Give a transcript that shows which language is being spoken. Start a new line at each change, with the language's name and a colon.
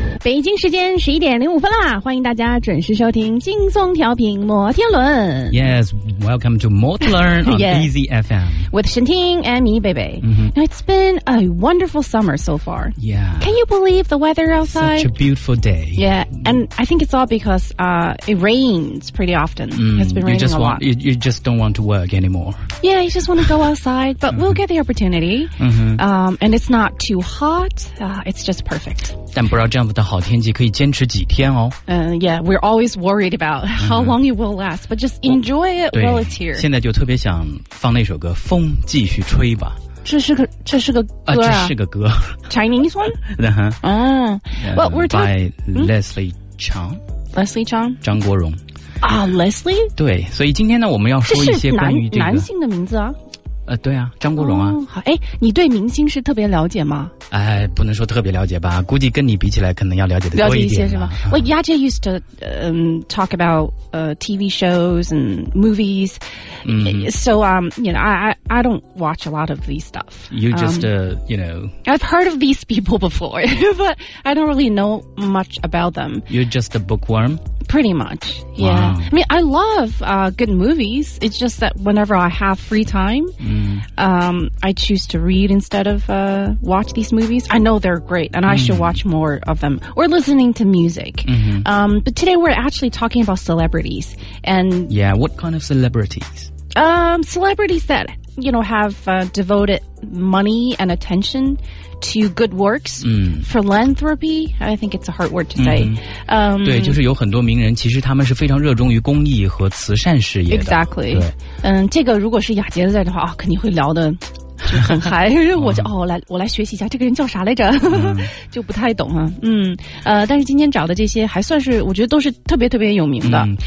Chinese: 北京时间11:05啦，欢迎大家准时收听轻松调频摩天轮。
English: Yes, welcome to 摩天轮 on Easy FM. With 沈婷 and me, baby. Now, it's been a wonderful summer so far. Yeah. Can you believe the weather outside? Such a beautiful day. Yeah, and I think it's all because it rains pretty often. It's been raining a lot. You just don't want to work anymore. Yeah, you just want to go outside, but we'll get the opportunity. And it's not too hot. It's just perfect.
Chinese: 但不知道这样子的好天气可以坚持几天哦。
English: Yeah, we're always worried about how long it will last, but just enjoy it while it's here.
Chinese: 现在就特别想放那首歌《风继续吹》吧。这是个歌啊。这是个歌。
English: Chinese one? Well, we're talking... By Leslie Chang. Leslie Chang?
Chinese: 张国荣。
English: Leslie?
Chinese: 对，所以今天呢我们要说一些关于这个。男性的名字啊。对啊，张国荣啊。好，哎，你对明星是特别了解吗？哎，不能说特别了解吧，估计跟你比起来，可能要了解的多一一些是吗？
English: Well, Yaja used to talk about TV shows and movies. So you know, I don't watch a lot of these stuff. You just you know. I've heard of these people before, but I don't really know much about them. You're just a bookworm. Pretty much, yeah. Wow. I mean, I love good movies. It's just that whenever I have free time, I choose to read instead of watch these movies. I know they're great, and I should watch more of them. Or listening to music. But today we're actually talking about celebrities. And yeah, what kind of celebrities? Celebrities that, you know, have devoted money and attention to good works, philanthropy, I think it's a hard word to say.
Chinese: 对，就是有很多名人，其实他们是非常热衷于公益和慈善事业的。
English: Exactly.
Chinese: 对。这个如果是雅洁在的话，肯定会聊得就很嗨。我来学习一下，这个人叫啥来着？就不太懂啊。但是今天找的这些还算是，我觉得都是特别特别有名的。